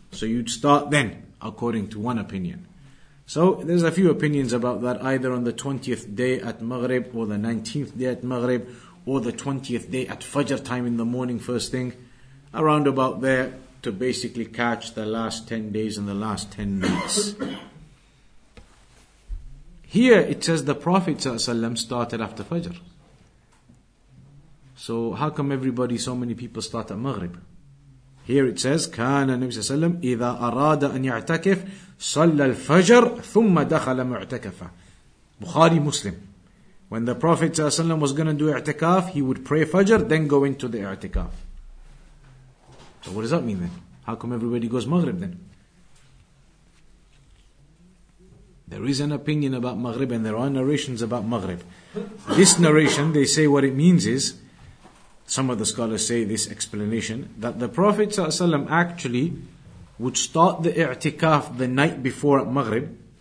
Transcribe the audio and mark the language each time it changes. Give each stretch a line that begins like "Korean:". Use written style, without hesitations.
English: So you'd start then, according to one opinion. So there's a few opinions about that, either on the 20th day at Maghrib, or the 19th day at Maghrib, or the 20th day at Fajr time in the morning, first thing, around about there, to basically catch the last 10 days and the last 10 nights. Here it says the Prophet ﷺ started after Fajr. So how come everybody, so many people start at Maghrib? Here it says,
Arabic: كَانَ النَّبِيُّ صَلَّى اللَّهُ عَلَيْهِ وَسَلَّمَ إِذَا أَرَادَ أَنْ يَعْتَكِفْ صَلَّى الْفَجْرَ ثُمَّ دَخَلَ مُعْتَكَفًا.
English: Bukhari Muslim. When the Prophet ﷺ was going to do i'tikaf, he would pray Fajr, then go into the i'tikaf. So what does that mean then? How come everybody goes Maghrib then? There is an opinion about Maghrib, and there are narrations about Maghrib. This narration, they say what it means is, some of the scholars say this explanation, that the Prophet ﷺ actually would start the i'tikaf the night before at Maghrib.